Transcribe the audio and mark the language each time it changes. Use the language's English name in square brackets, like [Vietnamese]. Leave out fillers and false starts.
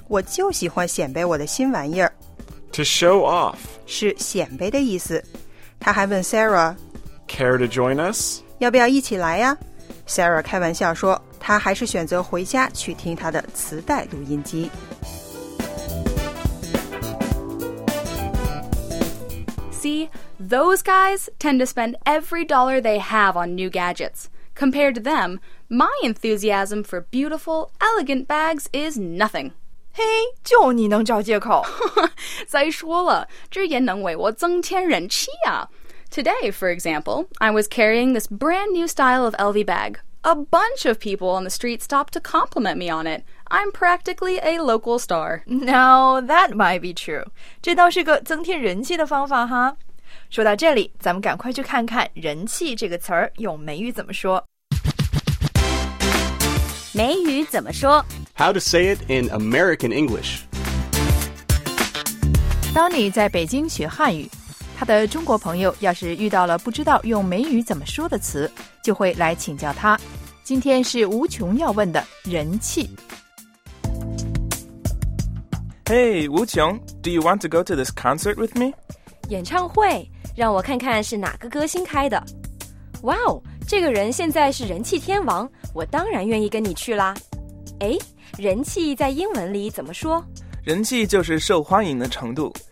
[Chinese] 我就喜欢显摆我的新玩意儿。 [English] To show off. [Chinese] 是显摆的意思。他还问 Sarah, [English] Care to join us? [Chinese] 要不要一起来呀 ?Sarah 开玩笑说他还是选择回家去听他的磁带录音机。 [English] See, those guys tend to spend every dollar they have on new gadgets. Compared to them, my enthusiasm for beautiful, elegant bags is nothing. [Chinese] Hey, 就你能找借口。再说了，这也能为我增添人气啊。 [English] Today, for example, I was carrying this brand new style of LV bag. A bunch of people on the street stopped to compliment me on it. I'm practically a local star. Now, that might be true. [Chinese] 这倒是个增添人气的方法哈。说到这里，咱们赶快去看看人气这个词儿用美语怎么说。美语怎么说 [English] ?How to say it in American English. [Chinese] Donny 在北京学汉语，他的中国朋友要是遇到了不知道用美语怎么说的词，就会来请教他。今天是无穷要问的人气。 [English] Hey, Wu Qiong, do you want to go to this concert with me? [Chinese] 演唱会，让我看看是哪个歌星开的。哇哦，这个人现在是人气天王，我当然愿意跟你去啦。哎，人气在英文里怎么说？人气就是受欢迎的程度。